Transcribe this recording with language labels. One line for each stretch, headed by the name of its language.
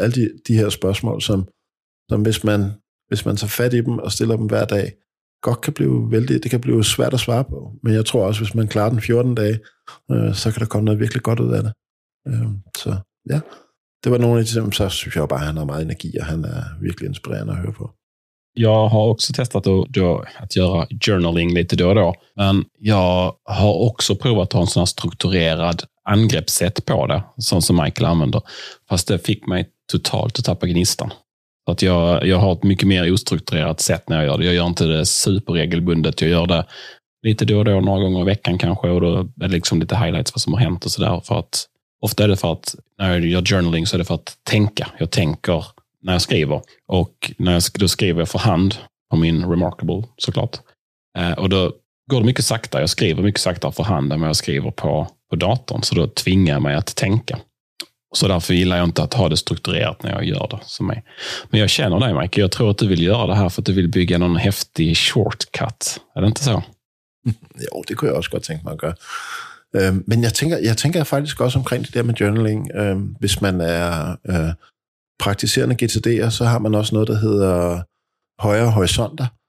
Danish: Alle de her spørgsmål, som hvis man tager fat i dem og stiller dem hver dag, godt kan blive vældig, det kan blive svært at svare på, men jeg tror også, hvis man klarer den 14 dage, så kan der komme noget virkelig godt ud af det. Så ja, det var nogle af de, som så synes jeg bare, han har meget energi, og han er virkelig inspirerende at høre på.
Swedish: Jag har också testat att göra journaling lite då och då. Men jag har också provat att ha en sån här strukturerad angreppssätt på det. Sånt som Michael använder. Fast det fick mig totalt att tappa gnistan. Så att jag har ett mycket mer ostrukturerat sätt när jag gör det. Jag gör inte det superregelbundet. Jag gör det lite då och då, några gånger i veckan kanske. Och då är det liksom lite highlights vad som har hänt och sådär. För att ofta är det för att när jag gör journaling så är det för att tänka. Jag tänker när jag skriver. Och när jag då skriver för hand på min Remarkable, såklart. Och då går det mycket sakta. Jag skriver mycket sakta för hand än vad jag skriver på datorn. Så då tvingar jag mig att tänka. Så därför gillar jag inte att ha det strukturerat när jag gör det som mig. Men jag känner dig, Mike. Jag tror att du vill göra det här för att du vill bygga någon häftig shortcut. Är det inte så? Jo, det kan jag också gott tänka mig att göra. Men jag tänker faktiskt också omkring det där med journaling.
Danish: Hvis man är praktiserende GTD'er, så har man også noget, der hedder højere horisonter.